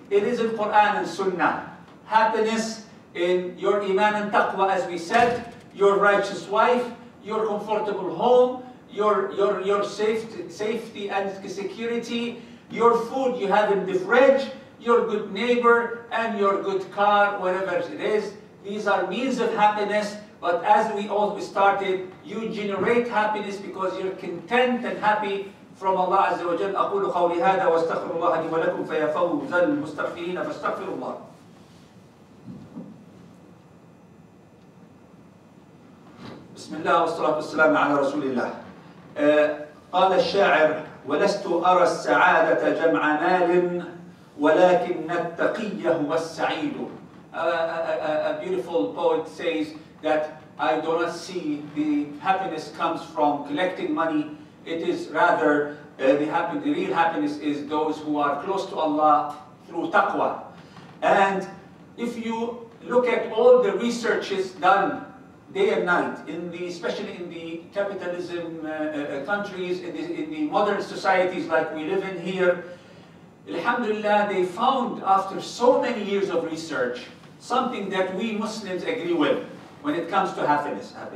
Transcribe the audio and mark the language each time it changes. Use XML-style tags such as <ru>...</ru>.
<en>It is in Quran and Sunnah. Happiness in your iman and taqwa, as we said, your righteous wife, your comfortable home, your safety and security, your food you have in the fridge, your good neighbor, and your good car, whatever it is. These are means of happiness, but as we all started, you generate happiness because you're content and happy from Allah Azza wa Jal.</en> <ar>أقول قولي هذا واستغفر الله لي ولكم فيفوز المستغفرين فاستغفر الله. بسم الله والصلاة والسلام على رسول الله. قال الشاعر: ولست أرى السعادة جمع مال ولكن التقي هو السعيد.</ar> <en>A beautiful poet says that I do not see the happiness comes from collecting money. It is rather the real happiness is those who are close to Allah through taqwa. And if you look at all the researches done day and night, especially in the capitalism countries, in the modern societies like we live in here, alhamdulillah, they found after so many years of research something that we Muslims agree with when it comes to happiness.</en>